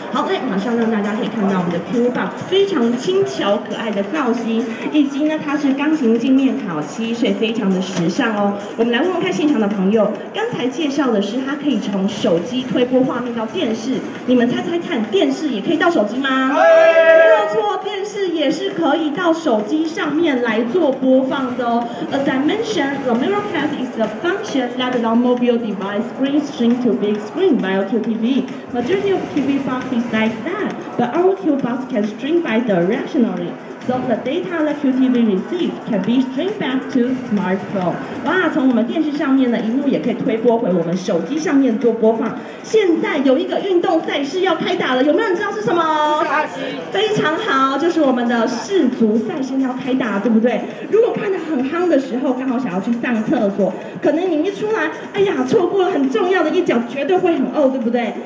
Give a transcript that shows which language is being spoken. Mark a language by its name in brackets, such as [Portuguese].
[Chinese] 好，那马上让大家可以看到我们的 Q Box 非常轻巧可爱的造型，以及呢它是钢琴镜面烤漆，所以非常的时尚哦。我们来问问看现场的朋友，刚才介绍的是它可以从手机推播画面到电视，你们猜猜看，电视也可以到手机吗？没错，电视也是可以到手机上面来做播放的哦。 [English] As I mentioned, the Miracast is a function that allows mobile device screen stream to big screen via TV. Majority of TV box is like that, but our Q box can stream bidirectionally. So the data that QTV receives can be streamed back to smartphone. [Chinese] 哇，从我们电视上面的萤幕也可以推播回我们手机上面做播放。现在有一个运动赛事要开打了，有没有人知道是什么？非常好，就是我们的世足赛现在要开打，对不对？如果看得很夯的时候，刚好想要去上厕所，可能你一出来，哎呀，错过了很重要的一脚，绝对会很呕，对不对？